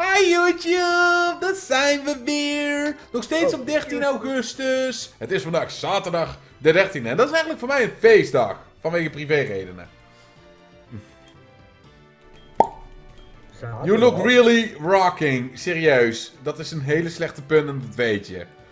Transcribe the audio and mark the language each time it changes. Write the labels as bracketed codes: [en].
[nl] YouTube, dat zijn we weer. Nog steeds op 13 augustus. Het is vandaag zaterdag de 13e. En dat is eigenlijk voor mij een feestdag. Vanwege privéredenen. [en] You look really rocking. [nl] Serieus. Dat is een hele slechte pun en dat weet je.